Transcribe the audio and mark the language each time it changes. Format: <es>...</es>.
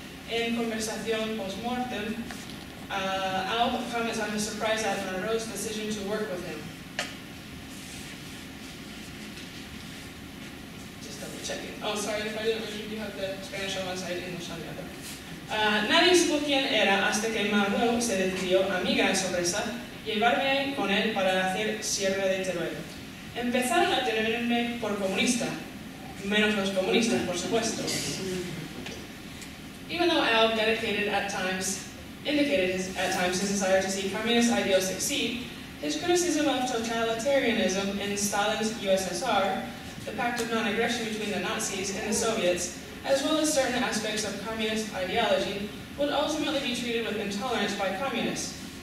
<en>In Conversación Postmortem, Al comments on his surprise at Malraux's decision to work with him. Just double checking. Oh, sorry if I didn't read you, you have the Spanish on one side, English on the other.</en> <es>Nadie supo quién era hasta que Manuel se decidió, amiga de sorpresa, llevarme con él para hacer Sierra de Teruel. Empezaron a tenerme por comunista, menos los comunistas, por supuesto.</es> <en>Even though Al indicated at times his desire to see communist ideals succeed, his criticism of totalitarianism in Stalin's USSR, the pact of non-aggression between the Nazis and the Soviets, as well as certain aspects of communist ideology, would ultimately be treated with intolerance by communists.</en>